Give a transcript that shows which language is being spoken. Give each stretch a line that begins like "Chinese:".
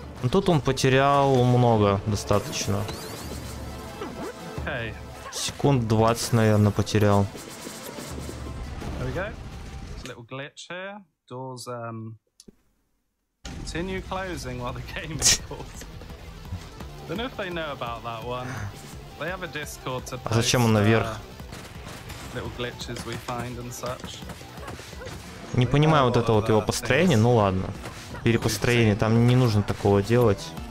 Russian: Тут он потерял много достаточно. Секунд 20, наверное, потерял.
English: go. It's a little glitch here. Doors continue closing while the game is paused. I don't know if they know about that one. They have a Discord to post.
Russian: А зачем он наверх?
English: Little glitches we find and such.
Russian: Не понимаю вот это вот его построение, ну ладно. Перепостроение, там не нужно такого делать.